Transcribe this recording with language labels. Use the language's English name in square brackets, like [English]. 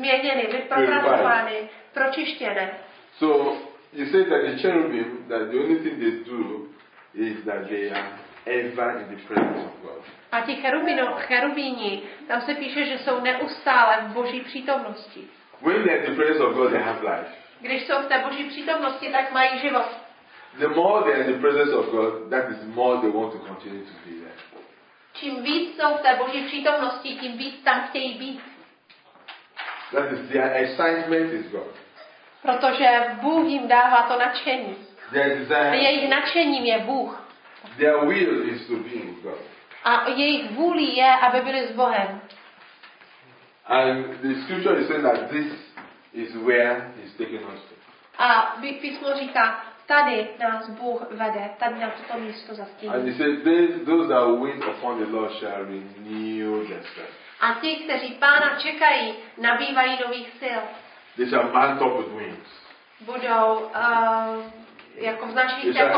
[Czech] Změněny, vypropracovány, pročištěné. [English] So you say that the cherubim, that the only thing they do is that they are ever in the presence of God. [Czech] A ti cherubíni, tam se píše, že jsou neustále v Boží přítomnosti. [English] When they're in the presence of God, they have life. [Czech] Když jsou v té Boží přítomnosti, tak mají život. [English] The more they're in the presence of God, that is more they want to continue to be there. [Czech] Čím víc jsou v té Boží přítomnosti, tím víc tam chtějí být. [English] That is their excitement is God. [Czech] Protože Bůh jim dává to nadšení. [English] Their [Czech] jejich nadšením je Bůh. [English] Their will is to be in God. [Czech] A jejich vůli je, aby byli s Bohem. [English] And the scripture is saying that this is where he's taking us to. [Czech] A písmo říká, tady nás Bůh vede, tady nás toto místo zastíní. [English] And he says, those that wait upon the Lord shall renew their strength. [Czech] A ti, kteří Pána čekají, nabývají nových sil. [English] They shall mount up with wings. [Czech] Budou jako vznášet jako